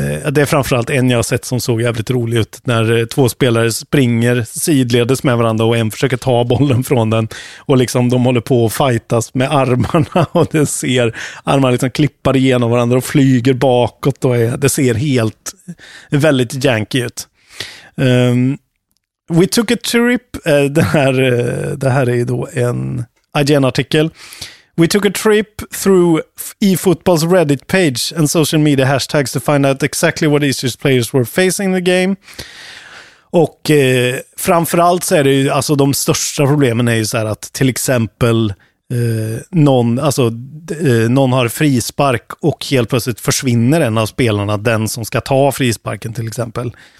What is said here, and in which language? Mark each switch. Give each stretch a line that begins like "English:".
Swedish: Det är framförallt en jag har sett som såg jävligt rolig ut, när två spelare springer sidledes med varandra och en försöker ta bollen från den, och liksom de håller på att fightas med armarna, och det ser armarna liksom klippar igenom varandra och flyger bakåt, och det ser helt väldigt janky ut.
English: We took a trip,
Swedish: det här är ju då en IGN-artikel.
English: We took a trip through eFootball's Reddit page and social media hashtags to find out exactly what issues players were facing in the game.
Swedish: Och framförallt så är det ju, alltså de största problemen är ju så här att till exempel någon har frispark och helt plötsligt försvinner en av spelarna, den som ska ta frisparken till exempel.